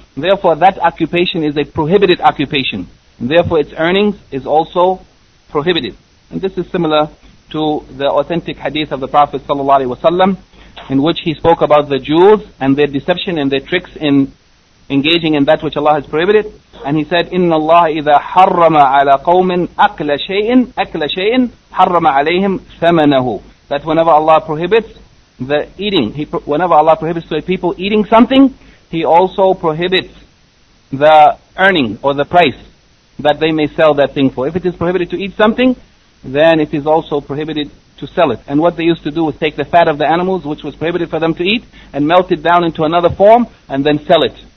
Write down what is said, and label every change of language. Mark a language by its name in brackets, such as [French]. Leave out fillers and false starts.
[English] Therefore, that occupation is a prohibited occupation. And therefore, its earnings is also prohibited. And this is similar to the authentic hadith of the Prophet ﷺ, in which he spoke about the jewels and their deception and their tricks in engaging in that which Allah has prohibited. And he said, [Arabic] إِنَّ اللَّهَ إِذَا حَرَّمَ عَلَى قَوْمٍ أَكْلَ شَيْءٍ حَرَّمَ عَلَيْهِمْ ثَمَنَهُ. [English] That whenever Allah prohibits the eating, whenever Allah prohibits to a people eating something, he also prohibits the earning or the price that they may sell that thing for. If it is prohibited to eat something, then it is also prohibited to sell it. And what they used to do was take the fat of the animals, which was prohibited for them to eat, and melt it down into another form, and then sell it.